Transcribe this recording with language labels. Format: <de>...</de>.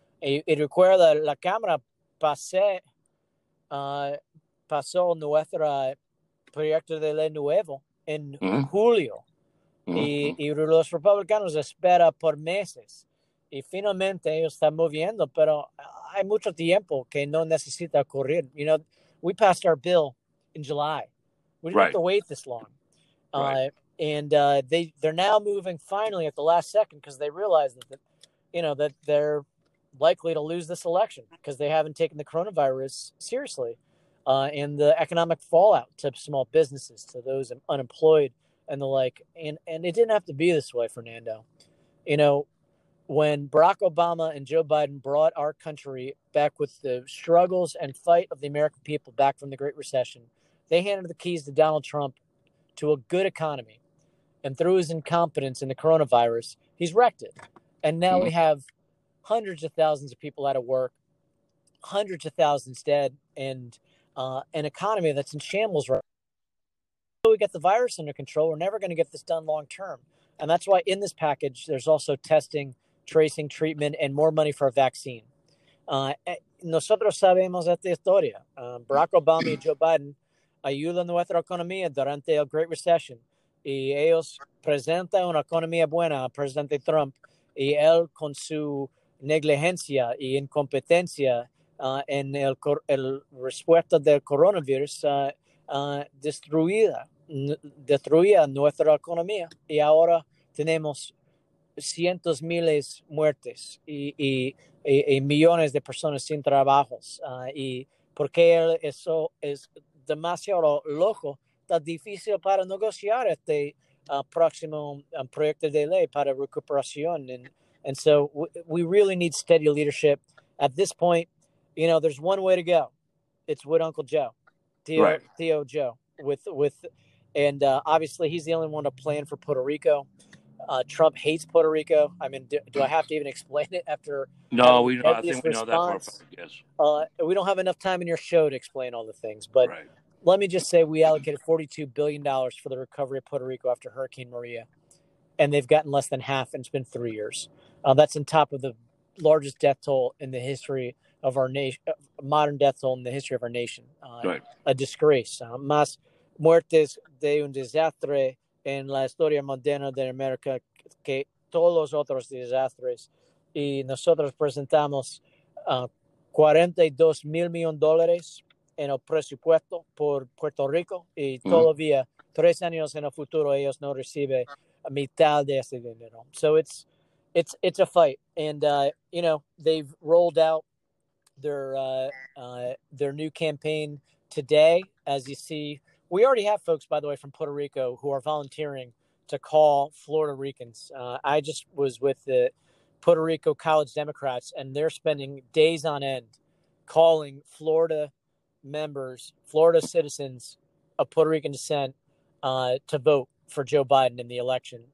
<es>Y recuerda, la Cámara pasó nuestro proyecto de ley nuevo en julio y los republicanos esperan por meses y finalmente ellos están moviendo, pero hay mucho tiempo que no necesita ocurrir.</es> <en>You know, we passed our bill in July. We didn't have to wait this long. They're now moving finally at the last second because they realize that they're likely to lose this election because they haven't taken the coronavirus seriously. And the economic fallout to small businesses, to those unemployed and the like. And it didn't have to be this way, Fernando. You know, when Barack Obama and Joe Biden brought our country back with the struggles and fight of the American people back from the Great Recession, they handed the keys to Donald Trump to a good economy. And through his incompetence in the coronavirus, he's wrecked it. And now we have hundreds of thousands of people out of work, hundreds of thousands dead, and an economy that's in shambles right now. Until we get the virus under control, we're never going to get this done long term. And that's why in this package, there's also testing, tracing, treatment, and more money for a vaccine.</en> <es>Nosotros sabemos esta historia. Barack Obama y Joe Biden ayudan nuestra economía durante la Great Recession. Y ellos presentan una economía buena a Presidente Trump. Y él, con su negligencia y incompetencia, en el respuesta del coronavirus destruía nuestra economía y ahora tenemos cientos miles muertes y millones de personas sin trabajos y porque eso es demasiado loco, está difícil para negociar este próximo proyecto de ley para recuperación</es> <en>And so we really need steady leadership. At this point, you know, there's one way to go. It's with Uncle Joe, Theo Joe. And obviously he's the only one to plan for Puerto Rico. Trump hates Puerto Rico. I mean, do I have to even explain it after? No, we know. I think we response? Know that part. Yes. We don't have enough time in your show to explain all the things, but let me just say we allocated $42 billion for the recovery of Puerto Rico after Hurricane Maria, and they've gotten less than half, and it's been 3 years. That's on top of the largest death toll in the history of our nation, modern death toll in the history of our nation. Right. A disgrace.</en> <es>Más muertes de un desastre en la historia moderna de América que todos los otros desastres. Y nosotros presentamos $42 million en el presupuesto por Puerto Rico y todavía 3 años en el futuro ellos no reciben mitad de ese dinero.</es> <en>So it's a fight. And, you know, they've rolled out their new campaign today. As you see, we already have folks, by the way, from Puerto Rico who are volunteering to call Florida Ricans. I just was with the Puerto Rico College Democrats, and they're spending days on end calling Florida members, Florida citizens of Puerto Rican descent to vote for Joe Biden in the election.</en>